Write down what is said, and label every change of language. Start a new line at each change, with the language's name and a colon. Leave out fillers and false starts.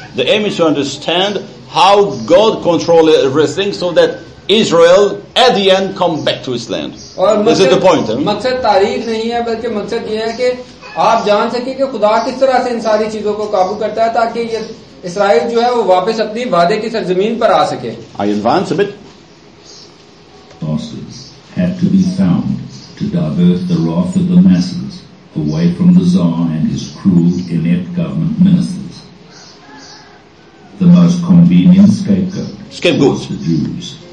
English: The aim is to understand how God controls everything so that Israel at the end come back to his land. This is the point.
Hindi: आप जान सके कि खुदा किस तरह से इन सारी चीजों को काबू करता है ताकि ये इसराइल जो है वो वापस अपनी वादे की सरजमीन पर आ सके.
English: I advance a bit. Forces had to be found to divert the wrath of the masses away from the Tsar and his cruel, inept government ministers. The most convenient scapegoat was the Jews.